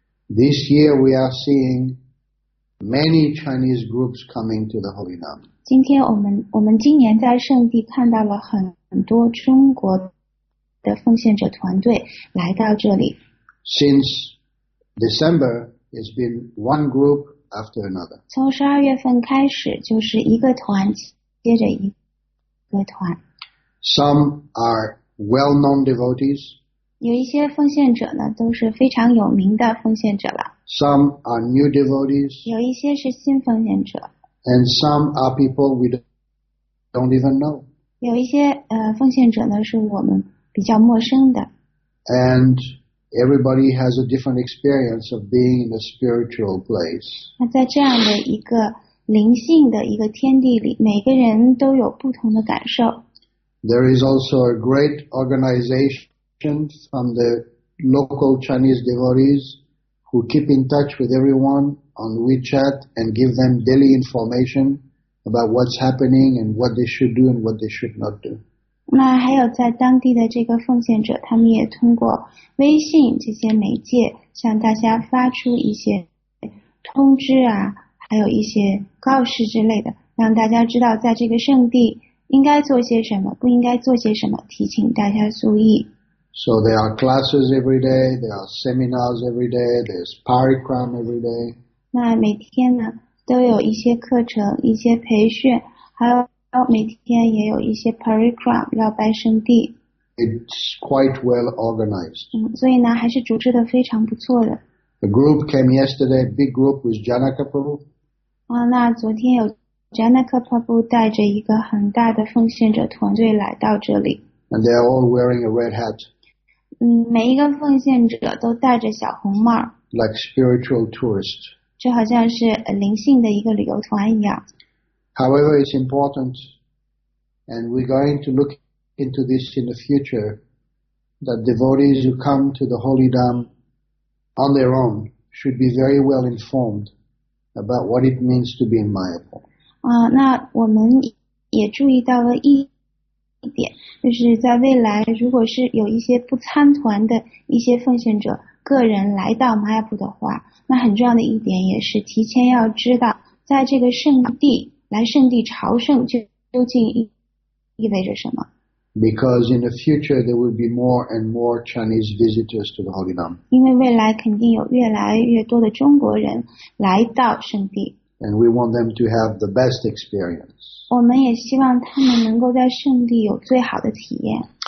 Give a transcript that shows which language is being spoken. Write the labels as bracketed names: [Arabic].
[English] This year we are seeing many Chinese groups coming to the Holy Nam. [Chinese] 今天我们今年在圣地看到了很多中国的奉献者团队来到这里。 [English] Since December, it's been one group after another. [Chinese] 从十二月份开始就是一个团接着一个团。 [English] Some are well-known devotees. [Chinese] 有一些奉献者呢都是非常有名的奉献者了。 [English] Some are new devotees. [Chinese] 有一些是新奉献者。 [English] And some are people we don't even know. [Chinese] 有一些奉献者呢是我们比较陌生的。 [English] And everybody has a different experience of being in a spiritual place. [Chinese] 那在这样的一个灵性的一个天地里，每个人都有不同的感受。 [English] There is also a great organization. From the local Chinese devotees who keep in touch with everyone on WeChat and give them daily information about what's happening and what they should do and what they should not do. [Chinese] 那还有在当地的这个奉献者，他们也通过微信这些媒介向大家发出一些通知啊，还有一些告示之类的，让大家知道在这个圣地应该做些什么，不应该做些什么，提醒大家注意。 [English] So there are classes every day, there are seminars every day, there's parikram every day. [Chinese] 那每天呢都有一些课程一些培训，还有每天也有一些 parikram 要拜圣地。 [English] It's quite well organized. [Chinese] 所以呢还是组织的非常不错的。 [English] The group came yesterday, big group with Janaka Prabhu. [Chinese] 那昨天有 Janaka Prabhu 带着一个很大的奉献者团队来到这里。 [English] And they are all wearing a red hat. [Chinese] 每一个奉献者都戴着小红帽。 [English] Like spiritual tourists. [Chinese] 就好像是灵性的一个旅游团一样。 [English] However, it's important, and we're going to look into this in the future, that devotees who come to the Holy Dham on their own should be very well informed about what it means to be in Mayapur. [Chinese] 那我们也注意到了一点，就是在未来如果是有一些不参团的一些奉献者个人来到 Mayapur 的话，那很重要的一点也是提前要知道在这个圣地来圣地朝圣究竟意味着什么。 [English] Because in the future there will be more and more Chinese visitors to the Holy Dham. [Chinese] 因为未来肯定有越来越多的中国人来到圣地。 [English] And we want them to have the best experience. [Chinese] 我们也希望他们能够在圣地有最好的体验。